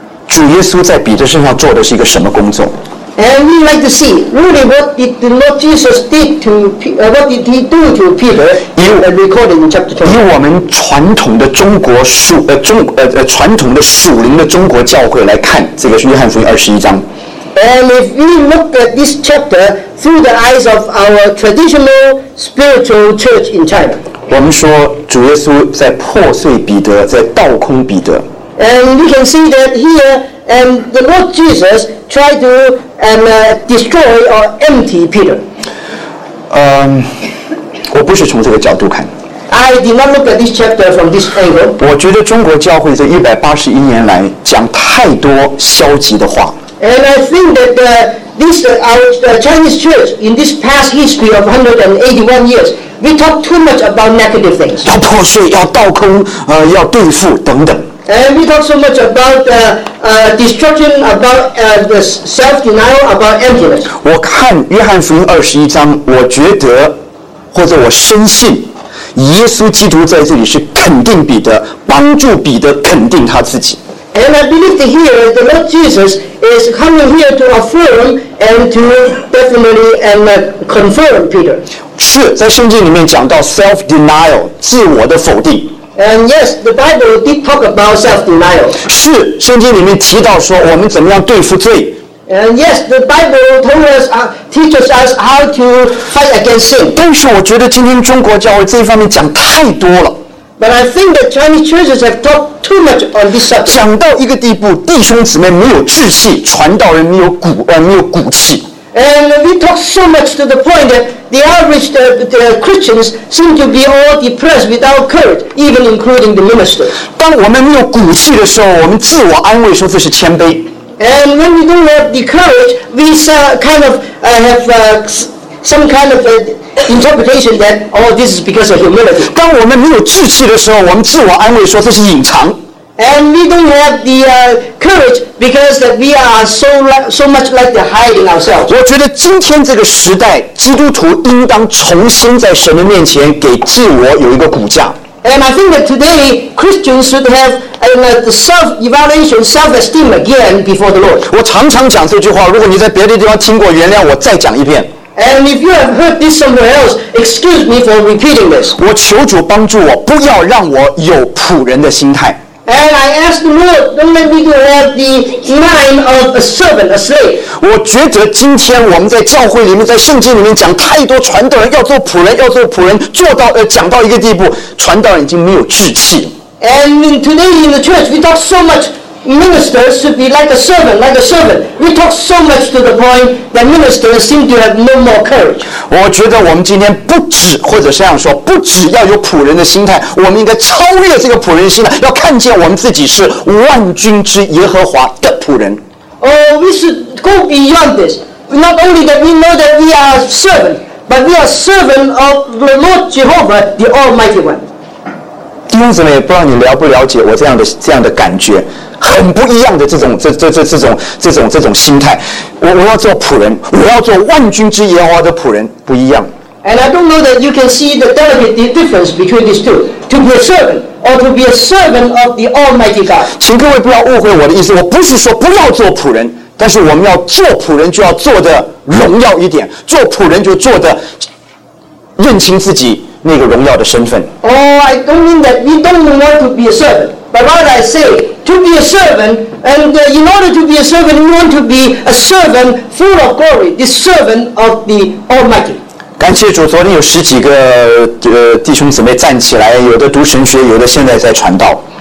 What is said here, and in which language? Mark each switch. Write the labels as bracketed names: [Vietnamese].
[Chinese] 主耶稣在彼得身上做的是一个什么工作 [English] ？And we like to see, really, what did the Lord Jesus did to what did he do to Peter? Recorded in chapter 20. [Chinese] 以我们传统的中国传统的属灵的中国教会来看，这个是约翰福音21章。 [English] And if we look at this chapter through the eyes of our traditional spiritual church in China, [Chinese] 我们说主耶稣在破碎彼得，在倒空彼得。 [English] And we can see that here, the Lord Jesus tried to destroy or empty Peter. [Chinese] 我不是从这个角度看。 [English] I did not look at this chapter from this angle. [Chinese] 我觉得中国教会这181年来讲太多消极的话。 [English] And I think that our Chinese church in this past history of 181 years, we talk too much about negative things. [Chinese] 要破碎，要倒空，要对付等等。 [English] And we talk so much about destruction, about the self-denial, about emptiness. [Chinese] 我看约翰福音二十一章，我觉得或者我深信，耶稣基督在这里是肯定彼得，帮助彼得肯定他自己。 [English] And I believe that here the Lord Jesus is coming here to affirm and to definitely and confirm Peter. [Chinese] 是在圣经里面讲到 self-denial， 自我的否定。 [English] And yes, the Bible did talk about self-denial. [Chinese] 是圣经里面提到说我们怎么样对付罪。 [English] And yes, the Bible told us, teaches us how to fight against sin. [Chinese] 但是我觉得今天中国教会这方面讲太多了。 [English] But I think that Chinese churches have talked too much on this subject. [Chinese] 讲到一个地步，弟兄姊妹没有志气，传道人没有骨气。 [English] And we talk so much to the point that the average the Christians seem to be all depressed without courage, even including the minister. [Chinese] 当我们没有骨气的时候，我们自我安慰说这是谦卑。 [English] And when we don't have the courage, we kind of have some kind of interpretation that, oh, this is because of humility. [Chinese] 当我们没有志气的时候，我们自我安慰说这是隐藏。 [English] And we don't have the courage because that we are so much like the hiding ourselves. [Chinese] 我觉得今天这个时代，基督徒应当重新在神的面前给自我有一个骨架。 [English] And I think that today Christians should have the self-evaluation, self-esteem again before the Lord. [Chinese] 我常常讲这句话，如果你在别的地方听过，原谅我再讲一遍。 [English] And if you have heard this somewhere else, excuse me for repeating this. [Chinese] 我求主帮助我，不要让我有仆人的心态。 [English] And I ask the Lord, don't let me have the mind of a servant, a slave. [Chinese] 我觉得今天我们在教会里面，在圣经里面讲太多传道人要做仆人，要做仆人，做到讲到一个地步，传道人已经没有志气。 [English] And today in the church, we talk so much. Ministers should be like a servant, like a servant. We talk so much to the point that ministers seem to have no more courage. [Chinese] 我觉得我们今天不止，或者这样说，不止要有仆人的心态，我们应该超越这个仆人心态，要看见我们自己是万军之耶和华的仆人。 [English] Oh, we should go beyond this. Not only that we know that we are servant, but we are servant of the Lord Jehovah, the Almighty One. [Chinese] 弟兄姊妹，不知道你了不了解我这样的感觉，很不一样的这种心态。我要做仆人，我要做万军之耶和华的仆人，不一样。 [English] And I don't know that you can see the delicate difference between these two: to be a servant or to be a servant of the Almighty God. [Chinese] 请各位不要误会我的意思，我不是说不要做仆人，但是我们要做仆人就要做的荣耀一点，做仆人就做的认清自己那个荣耀的身份。 [English] Oh, I don't mean that we don't want to be a servant, but rather I say to be a servant, and in order to be a servant, we want to be a servant full of glory, the servant of the Almighty. [Chinese] 感谢主，昨天有十几个弟兄姊妹站起来，有的读神学，有的现在在传道。